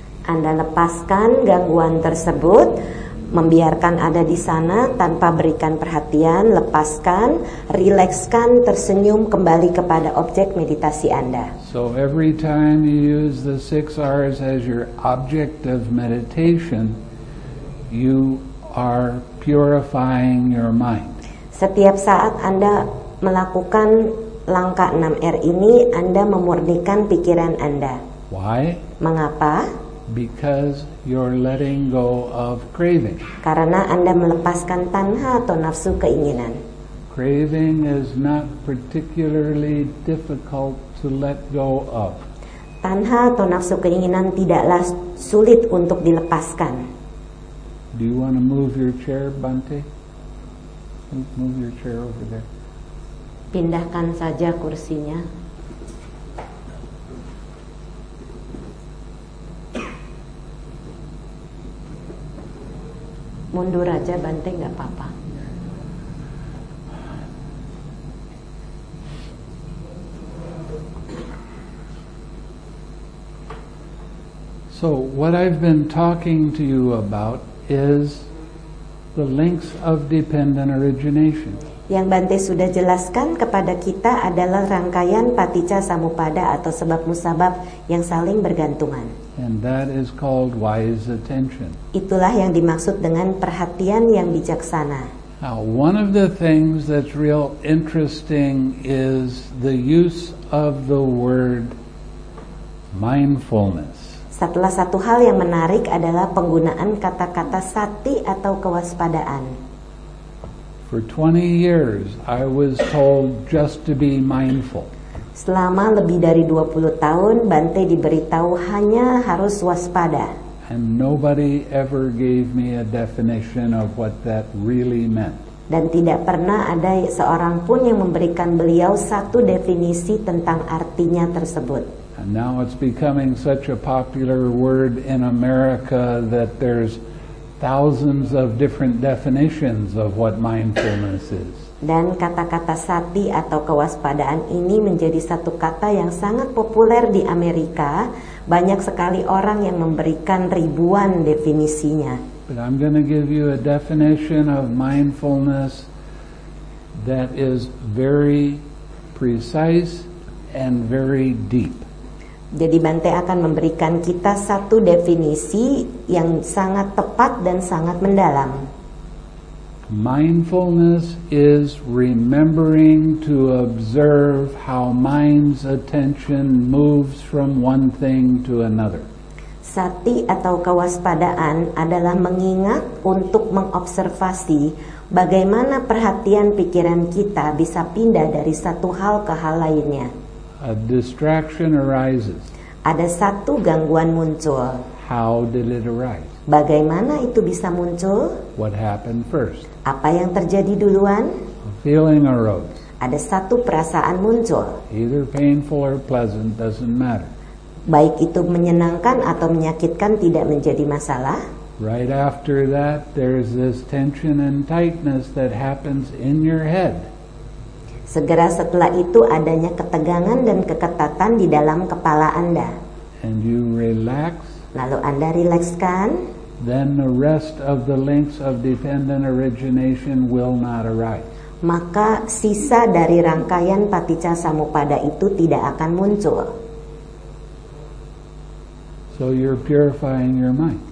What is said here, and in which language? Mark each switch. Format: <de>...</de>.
<id>Anda lepaskan gangguan tersebut, membiarkan ada di sana tanpa berikan perhatian, lepaskan, rilekskan, tersenyum kembali kepada objek meditasi Anda.</id> <en>So every time you use the six R's as your object of meditation, you are purifying your mind.</en> <id>Setiap saat Anda melakukan langkah 6R ini, Anda memurnikan pikiran Anda.</id> <en>Why?</en> <id>Mengapa?</id> <en>Because you're letting go of craving.</en> <id>Karena Anda melepaskan tanha atau nafsu keinginan.</id> <en>Craving is not particularly difficult to let go of.</en> <id>Tanha atau nafsu keinginan tidaklah sulit untuk dilepaskan.</id> <en>Do you want to move your chair, Bhante? Move your chair over there.</en> <id>Pindahkan saja kursinya. Mundur aja Bhante, enggak apa-apa.</id> <en>So, what I've been talking to you about is the links of dependent origination.</en> <id>Yang Bhante sudah jelaskan kepada kita adalah rangkaian paticca samuppada atau sebab musabab yang saling bergantungan.</id> <en>And that is called wise attention.</en> <id>Itulah yang dimaksud dengan perhatian yang bijaksana.</id> <en>Now, one of the things that's real interesting is the use of the word mindfulness.</en> <id>Setelah satu hal yang menarik adalah penggunaan kata-kata sati atau kewaspadaan.</id> <en>For 20 years, I was told just to be mindful.</en> <id>Selama lebih dari 20 tahun, Bhante diberitahu hanya harus waspada.</id> <en>And nobody ever gave me a definition of what that really meant.</en> <id>Dan tidak pernah ada seorang pun yang memberikan beliau satu definisi tentang artinya tersebut.</id> <en>And now it's becoming such a popular word in America that there's thousands of different definitions of what mindfulness is.</en> <id>Dan kata-kata sati atau kewaspadaan ini menjadi satu kata yang sangat populer di Amerika. Banyak sekali orang yang memberikan ribuan definisinya.</id> <en>But I'm going to give you a definition of mindfulness that is very precise and very deep.</en> <id>Jadi Bhante akan memberikan kita satu definisi yang sangat tepat dan sangat mendalam.</id> <en>Mindfulness is remembering to observe how mind's attention moves from one thing to another.</en> <id>Sati atau kewaspadaan adalah mengingat untuk mengobservasi bagaimana perhatian pikiran kita bisa pindah dari satu hal ke hal lainnya.</id> <en>A distraction arises.</en> <id>Ada satu gangguan muncul.</id> <en>How did it arise?</en> <id>Bagaimana itu bisa muncul?</id> <en>What happened first?</en> <id>Apa yang terjadi duluan?</id> <en>A feeling arose.</en> <id>Ada satu perasaan muncul.</id> <en>Either painful or pleasant, doesn't matter.</en> <id>Baik itu menyenangkan atau menyakitkan tidak menjadi masalah.</id> <en>Right after that, there is this tension and tightness that happens in your head.</en> <id>Segera setelah itu adanya ketegangan dan keketatan di dalam kepala Anda.</id> <en>And you relax.</en> <id>Lalu Anda rilekskan.</id> <en>Then the rest of the links of dependent origination will not arise.</en> <id>Maka sisa dari rangkaian paticca samuppada itu tidak akan muncul.</id> <en>So you're purifying your mind.</en>